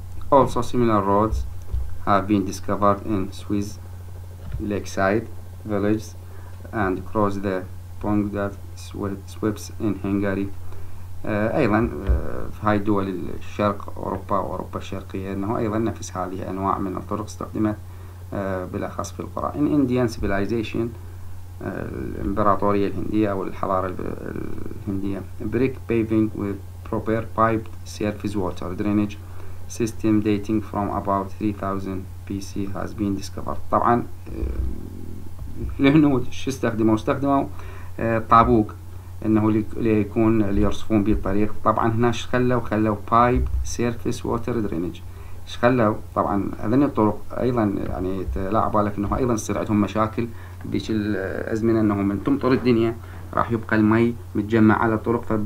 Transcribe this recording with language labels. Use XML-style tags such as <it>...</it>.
<en>Also similar roads have been discovered in Swiss lakeside villages and across the pond that sweeps in Hungary.</en> <ar>أيضا في هاي دول الشرق أوروبا وأوروبا الشرقية أنه أيضا نفس هذه أنواع من الطرق استخدمت بالأخص في القرى.</ar> <en>In Indian civilization</en> <ar>الإمبراطورية الهندية أو الحضارة الهندية،</ar> <en>brick paving with proper piped surface water drainage system dating from about 3000 BC has been discovered.</en> <ar>طبعا الهنود شو استخدموا؟ استخدموا طابوق انه ليكون ليرصفون به الطريق. طبعا هنا ايش خلوا؟ خلوا</ar> <en>Pipe surface water drainage.</en> <ar>ايش خلوا؟ طبعا هذني الطرق ايضا يعني لا عبالك انه ايضا تصير عندهم مشاكل بيش الازمنه، انه من تمطر الدنيا راح يبقى المي متجمع على الطرق.</ar>